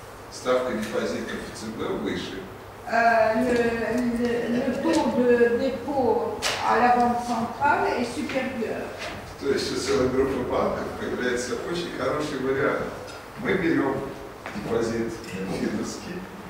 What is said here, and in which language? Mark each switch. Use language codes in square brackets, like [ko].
[ru] Ставка депозитов ЦБ выше. [fr] Le taux de dépôt à la banque centrale est supérieur. [ru] То есть целая группа банков появляется очень хороший вариант. Мы берем депозит финский.